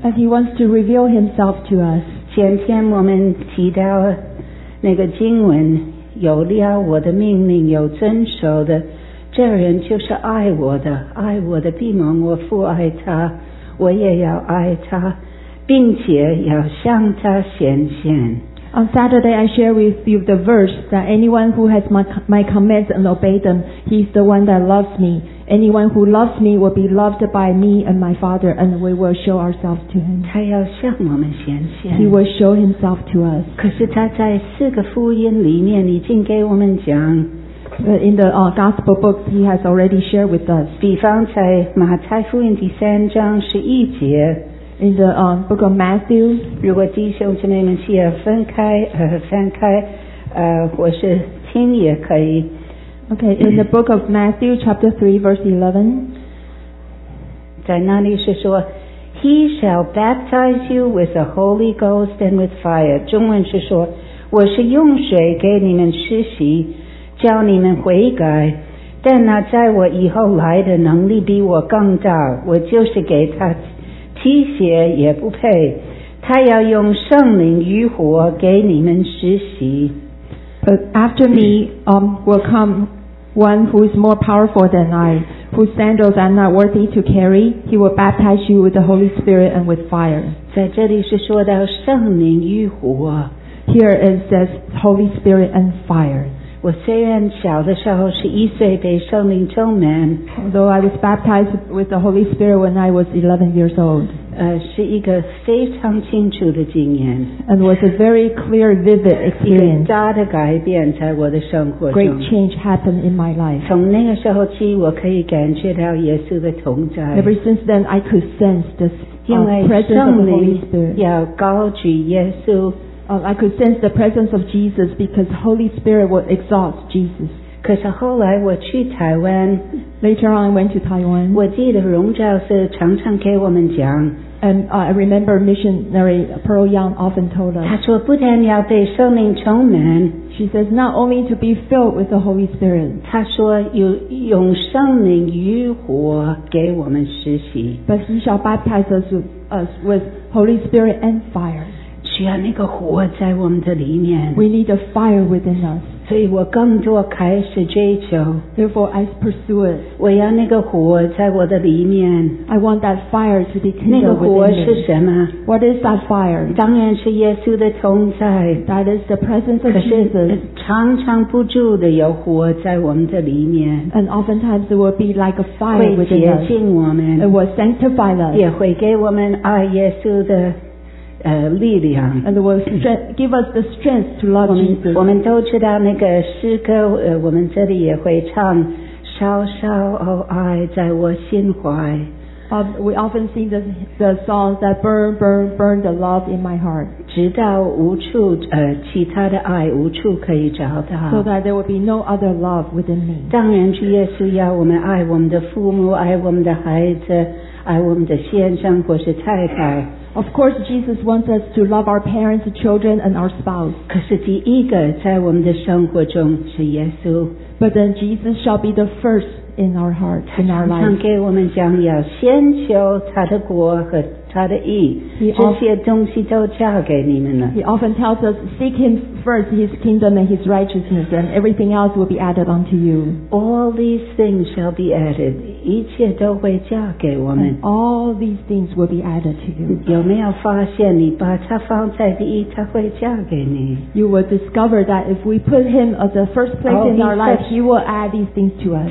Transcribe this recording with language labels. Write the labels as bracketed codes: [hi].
[en] And he wants to reveal himself to us. [zh] 前天我们提到那个经文，有了我的命令，有遵守的，这人就是爱我的，爱我的必蒙我父爱他，我也要爱他，并且要向他显现。 [en] On Saturday, I share with you the verse that anyone who has my commands and obey them, he is the one that loves me. Anyone who loves me will be loved by me and my Father, and we will show ourselves to him. [zh] 他要向我们显现。 [en] He will show himself to us. [zh] 可是他在四个福音里面已经给我们讲。 [en] In the gospel books, he has already shared with us. [zh] 比方在马太福音第三章十一节。 [en] In the book of Matthew, [zh] 如果弟兄姊妹们需要分开翻开或是听也可以。 [en] Okay, in the book of Matthew, chapter 3, verse 11, [zh] 在那里是说 [en] He shall baptize you with the Holy Ghost and with fire. [zh] 中文是说我是用水给你们施洗叫你们悔改但那在我以后来的能力比我更大我就是给他T 鞋也不配他要用圣灵与火给你们实习 [en] But after me will come one who is more powerful than I whose sandals I'm not worthy to carry he will baptize you with the Holy Spirit and with fire [zh] 在这里是说到圣灵与火 [en] Here it says Holy Spirit and fire [zh] 我虽然小的时候是一岁被圣灵充满 [en] Although I was baptized with the Holy Spirit when I was 11 years old [zh] 是一个非常清楚的经验 [en] And was a very clear, vivid experience [zh] 一个大的改变在我的生活中 [en] Great change happened in my life [zh] 从那个时候起我可以感觉到耶稣的同在 [en] Ever since then I could sense the presence of the Holy Spirit [zh] 要高举耶稣 [en] I could sense the presence of Jesus because the Holy Spirit would exalt Jesus. [zh] 可是后来我去台湾 [en] Later on, I went to Taiwan. [zh] 我记得荣教授常常给我们讲 [en] And I remember missionary Pearl Young often told us. [zh] 他说不但要被圣灵充满 [en] She says not only to be filled with the Holy Spirit. [zh] 他说用圣灵与火给我们施洗 [en] But he shall baptize us with Holy Spirit and fire. [zh] 需要那个火在我们的里面 [en] We need a fire within us [zh] 所以我更多开始追求 [en] Therefore I pursue it [zh] 我要那个火在我的里面 [en] I want that fire to be kindled [zh] 那个火 [en] within [zh] 是什么 [en] What is that fire? [zh] 当然是耶稣的同在 [en] That is the presence of Jesus [zh] 可是常常不住的有火在我们的里面 [en] And oftentimes it will be like a fire within us [zh] 会洁净我们 [en] It will sanctify us [zh] 也会给我们爱耶稣的力量 [en] and will give us the strength to love Jesus [zh] 我们都知道那个诗歌我们这里也会唱稍稍哦爱在我心怀 [en] We often sing the songs that burn, burn, burn the love in my heart [zh] 直到无处其他的爱无处可以找到 [en] so that there will be no other love within me [zh] 当然是耶稣要我们爱我们的父母爱我们的孩子爱我们的先生或是太太 [en] Of course, Jesus wants us to love our parents, children, and our spouse. [zh] 可是第一个在我们的生活中是耶稣 [en] But then Jesus shall be the first in our heart, in our life. [zh] 他常常给我们讲要先求他的国和他的义 这些东西都交给你们了 [en] He often tells us, seek him first, his kingdom and his righteousness, and everything else will be added unto you. All these things shall be added. [zh] 一切都会交给我们 [en] And all these things will be added to you. [zh] 有没有发现你把他放在第一他会交给你 [en] You will discover that if we put him as the first place in our life, he will add these things to us.